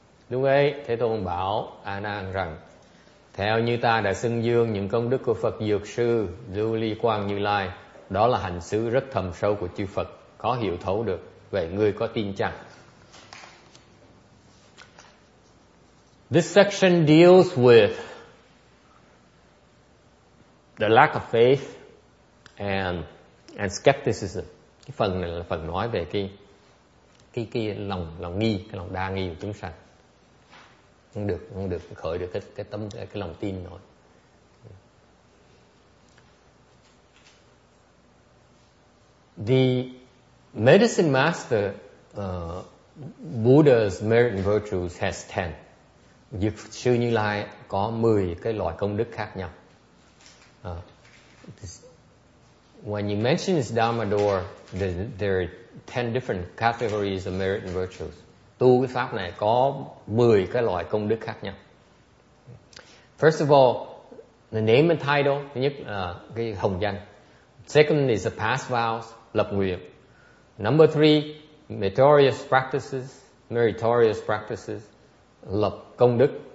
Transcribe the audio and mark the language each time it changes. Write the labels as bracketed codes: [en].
[vi] Lúc ấy, Thế Tôn bảo Ananda rằng, theo như ta đã xưng dương những công đức của Phật Dược Sư Du Ly Quang Như Lai, đó là hành xứ rất thầm sâu của chư Phật, khó hiểu thấu được. Vậy ngươi có tin chăng? [en] This section deals with the lack of faith and skepticism. [vi] Cái phần này là phần nói về cái lòng nghi, cái lòng đa nghi của chúng sanh. Không được khởi được cái lòng tin nổi. [en] The medicine master Buddha's merit and virtues has 10. [vi] Dược sư Như Lai có 10 cái loại công đức khác nhau. [en] When you mention this Dharma door, there are 10 different categories of merit and virtues. [vi] Tu cái pháp này có 10 cái loại công đức khác nhau. [en] First of all, the name and title, [vi] thứ nhất là cái hồng danh. [en] Second is the past vows, [vi] lập nguyện. [en] Number 3, meritorious practices, [vi] lập công đức.